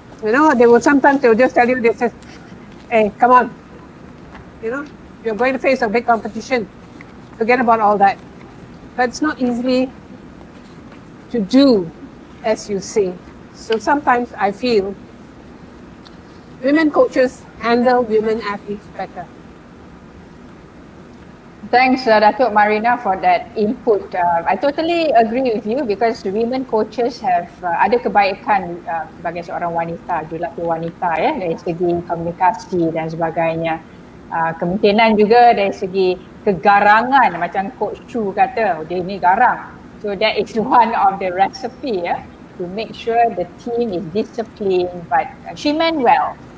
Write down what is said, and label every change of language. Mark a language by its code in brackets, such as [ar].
[en] You know, they will sometimes, they will just tell you, they say, hey, come on, you know, you're going to face a big competition. Forget about all that. But it's not easy to do, as you say. So sometimes I feel women coaches handle women athletes better. Thanks, Datuk Marina, for that input. I totally agree with you, because women coaches have [ms] ada kebaikan sebagai seorang wanita, jurulatih wanita, ya, dari segi komunikasi dan sebagainya. Kemungkinan juga dari segi kegarangan, macam Coach Chu kata, dia ni garang. [en] So that is one of the recipe, ya, to make sure the team is disciplined, but she meant well.